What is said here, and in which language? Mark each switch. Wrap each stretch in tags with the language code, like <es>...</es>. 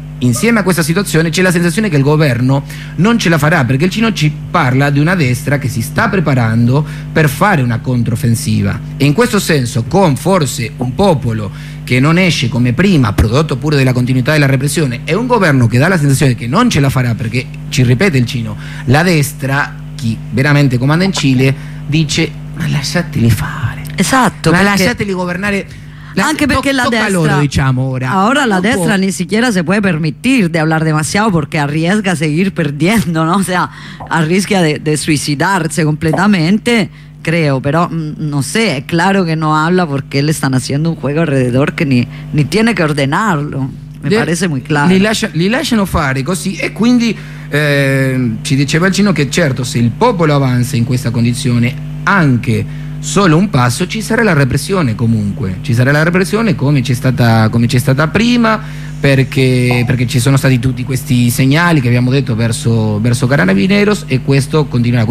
<it>insieme a questa situazione c'è la sensazione che il governo non ce la farà, perché il Cino ci parla di una destra che si sta preparando per fare una controffensiva, e in questo senso, con forse un popolo che non esce come prima, prodotto pure della continuità della repressione, è un governo che dà la sensazione che non ce la farà, perché, ci ripete il Cino, la destra, chi veramente comanda in Cile, dice ma lasciateli fare, esatto, ma lasciateli governare. Anche perché la destra, loro, diciamo, ora. Ora la destra</it> <es>ni siquiera se puede permitir de hablar demasiado porque arriesga a seguir perdiendo, ¿no? O sea, arriesga de suicidarse completamente, creo, pero no sé, es claro que no habla porque le están haciendo un juego alrededor que ni tiene que ordenarlo. Me parece muy claro.</es> <it>Li lasciano fare così, e quindi ci diceva il Cino che certo, se il popolo avanza in questa condizione, anche solo un passo, ci sarà la repressione, comunque ci sarà la repressione come c'è stata prima, perché ci sono stati tutti questi segnali che abbiamo detto verso Carabineros, e questo continuerà.</it>